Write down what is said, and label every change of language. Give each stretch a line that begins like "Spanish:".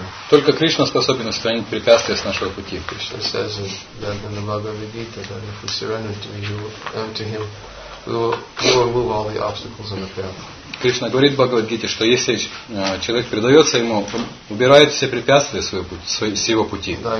Russian: Только Кришна способен устранить препятствия с нашего пути.
English: Кришна says that in the Bhagavad Gita that if we surrender to him, we will remove all the obstacles on the path.
Russian: Кришна говорит в Бхагавад-гите, что если человек предается ему, он убирает все препятствия с его пути.